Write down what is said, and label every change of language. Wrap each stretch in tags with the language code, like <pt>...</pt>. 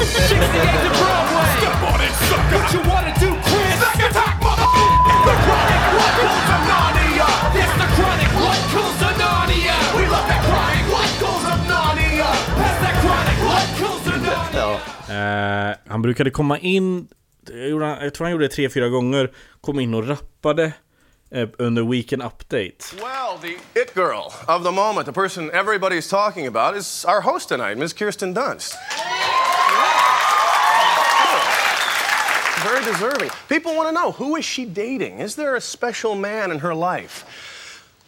<en>68 to Broadway! Step on it, sucker! What you wanna do, Chris? Sack attack, mother! The Chronic What Goes to Narnia! It's the Chronic What Goes to Narnia! We love that Chronic What Goes to Narnia! That's that Chronic What Goes to Narnia!</en> <sv>Han brukade komma in, jag tror han gjorde det 3-4 gånger, kom in och rappade under Weekend Update.</sv> <en>Well, the it girl of the moment, the person everybody's talking about, is our host tonight, Miss Kirsten Dunst. Very deserving. People want to know, who is she dating? Is there a special man in her life?</en>